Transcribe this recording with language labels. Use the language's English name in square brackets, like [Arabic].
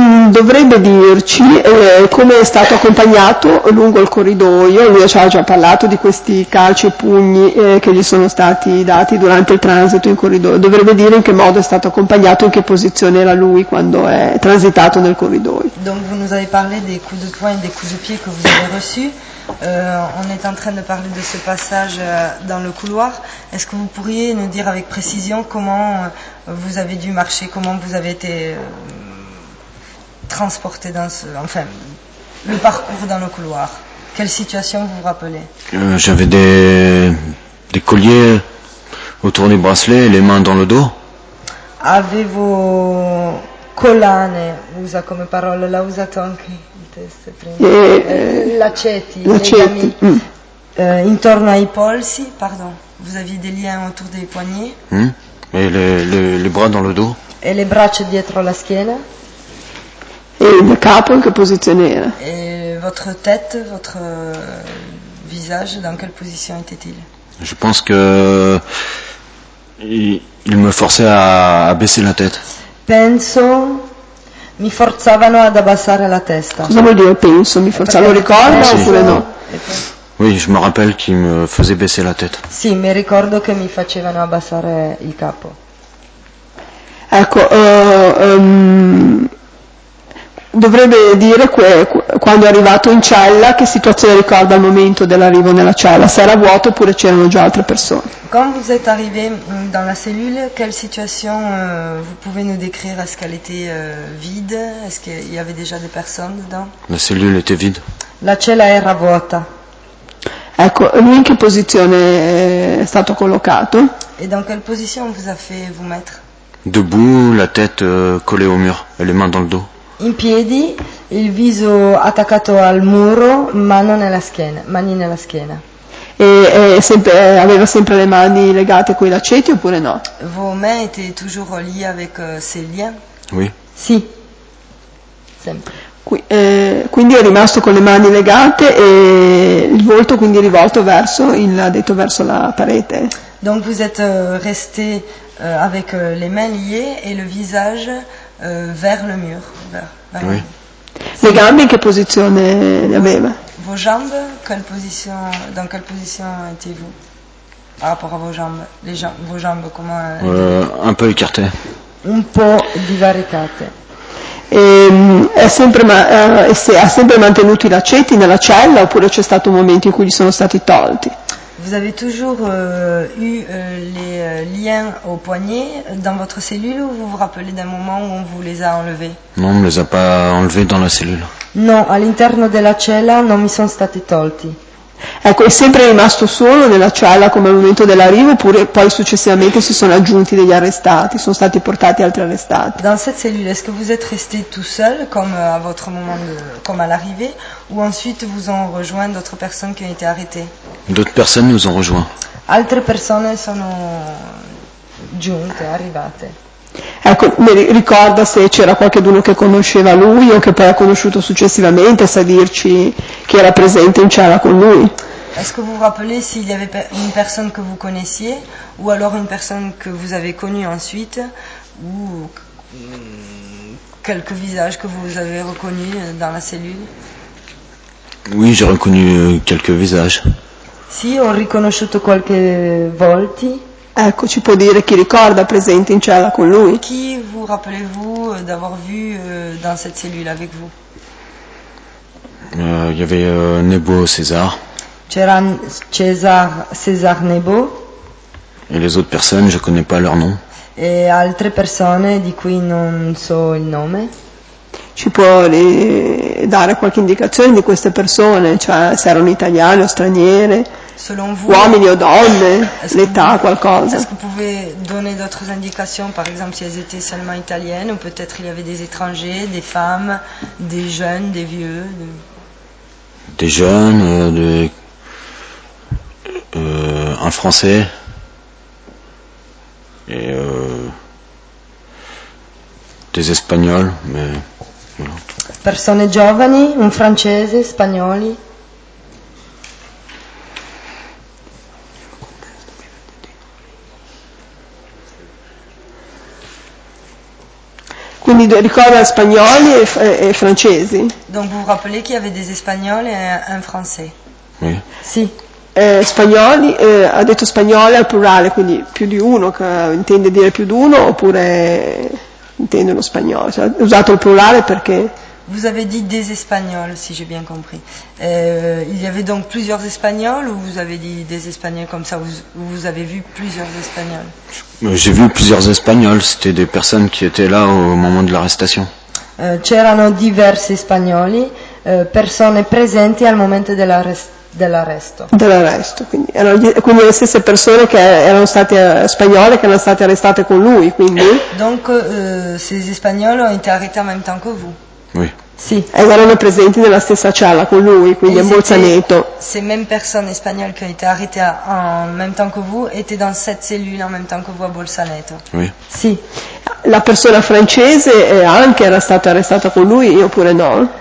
[Italian] Dovrebbe dirci come è stato accompagnato lungo il corridoio, lui ci ha già parlato di questi calci e pugni che gli sono stati dati durante il transito in corridoio, dovrebbe dire in che modo è stato accompagnato, in che posizione era lui quando è transitato nel corridoio. [French] Donc vous nous avez parlé des coups de poing et des coups de pied que vous avez reçus. On est en train de parler de ce passage dans le couloir. Est-ce que vous pourriez nous dire avec précision comment vous avez dû marcher, comment vous avez été transporté dans ce, enfin, le parcours dans le couloir. Quelle situation vous vous rappelez? J'avais des colliers autour des bracelets et les mains dans le dos. [Italian] Avevo collane, usa come parola, l'ha usato anche il test prima. Laceti. Intorno ai polsi, pardon. [French] Vous aviez des liens autour des poignets. Et les bras dans le dos. [Italian] E le braccia dietro la schiena. E il capo in che posizione era? [French] E votre tête, votre visage, dans quelle position était-il? Je pense que il me forçait à baisser la tête. [Italian] Penso, mi forzavano ad abbassare la testa. Cosa vuol dire penso, mi forzavano? Lo ricordo oppure no? [French] Oui, je me rappelle qu'il me faisait baisser la tête. [Italian] Sì, mi ricordo che mi facevano abbassare il capo. Ecco, dovrebbe dire quando è arrivato in cella, che situazione ricorda al momento dell'arrivo nella cella, se era vuoto oppure c'erano già altre persone. [French] Quand vous êtes arrivé dans la cellule, quelle situation vous pouvez nous décrire? Est-ce qu'elle était vide? Est-ce qu'il y avait déjà des personnes dedans? La cellule était vide. [Italian] La cella era vuota. Ecco, lui in che posizione è stato collocato? [French] Et dans quelle position vous a fait vous mettre? Debout, la tête collée au mur et les mains dans le dos. [Italian] In piedi, il viso attaccato al muro, mano nella schiena, mani nella schiena. E sempre, aveva sempre le mani legate con i lacetti oppure no? [French] Vos mains étaient toujours liées avec ces liens? Oui. [Italian] Sì, sempre. Quindi è rimasto con le mani legate e il volto quindi rivolto verso, ha detto, verso la parete. [French] Donc vous êtes resté avec les mains liées et le visage vers le mur. Oui. [Italian] Le gambe in che posizione le aveva? [French] Vos jambes, dans quelle position étiez-vous par rapport à vos jambes? Vos jambes, comment? Un peu écartées. [Italian] Un po' divaricate. Ha sempre mantenuto i lacetti nella cella oppure c'è stato un momento in cui gli sono stati tolti? [French] Vous avez toujours eu les liens au poignet dans votre cellule ou vous vous rappelez d'un moment où on vous les a enlevés? Non, on ne les a pas enlevés dans la cellule. [Italian] Non, all'interno della cella non mi sono stati tolti. Ecco, è sempre rimasto solo nella cella come al momento dell'arrivo oppure poi successivamente si sono aggiunti degli arrestati, sono stati portati altri arrestati? [French] Dans cette cellule, est-ce que vous êtes resté tout seul comme à votre moment de, comme à l'arrivée ou ensuite vous ont rejoint d'autres personnes qui ont été arrêtées? D'autres personnes nous ont rejoint. [Italian] Altre persone sono giunte, arrivate. Ecco, mi ricorda se c'era qualcuno che conosceva lui o che poi ha conosciuto successivamente, sa dirci chi era presente in cella con lui. [French] Est-ce que vous vous rappelez s'il y avait une personne que vous connaissiez ou alors une personne que vous avez connue ensuite ou quelques visages que vous avez reconnus dans la cellule? Oui, j'ai reconnu quelques visages. [Italian] Si, ho riconosciuto qualche volti. Ecco, ci può dire chi ricorda presente in cella con lui. [French] Chi vous rappelez-vous d'avoir vu dans cette cellule avec vous? Il y avait Nebo César. [Italian] C'era César Nebo. E le altre persone, [French] je connais pas leur nom. [Italian] E altre persone di cui non so il nome. Ci può dare qualche indicazione di queste persone, cioè se erano italiani o straniere, [French] selon vous, [Italian] uomini o donne, l'età, qualcosa. [French] Est-ce que vous pouvez donner d'autres indications, par exemple si elles étaient seulement italiennes, ou peut-être il y avait des étrangers, des femmes, des jeunes, des vieux? Des jeunes, un français et des espagnols, mais voilà. [Italian] Persone giovani, un francese, spagnoli. Quindi ricorda spagnoli e francesi. [French] Donc vous rappelez qu'il y avait des espagnols et un français. Oui. [Italian] Sì. Spagnoli, ha detto spagnoli al plurale, quindi più di uno, che intende dire più di uno, oppure intende lo spagnolo? Cioè, ha usato il plurale perché... [French] Vous avez dit des espagnols, si j'ai bien compris. Il y avait donc plusieurs espagnols ou vous avez dit des espagnols comme ça, vous avez vu plusieurs espagnols? J'ai vu plusieurs espagnols, c'était des personnes qui étaient là au moment de l'arrestation. [Italian] C'erano diversi spagnoli, persone presenti al momento dell'arresto. Dell'arresto, quindi le stesse persone che erano state spagnole che erano state arrestate con lui, quindi. [French] Donc ces espagnols ont été arrêtés en même temps que vous. Oui. [Italian] Sì, ed erano presenti nella stessa cella con lui, quindi [French] ils [Italian] è Bolzaneto. [French] Ces mêmes personnes espagnoles qui ont été arrêtées en même temps que vous étaient dans cette cellule en même temps que vous à Bolzaneto. Oui. [Italian] Sì. La persona francese anche era stata arrestata con lui, oppure no?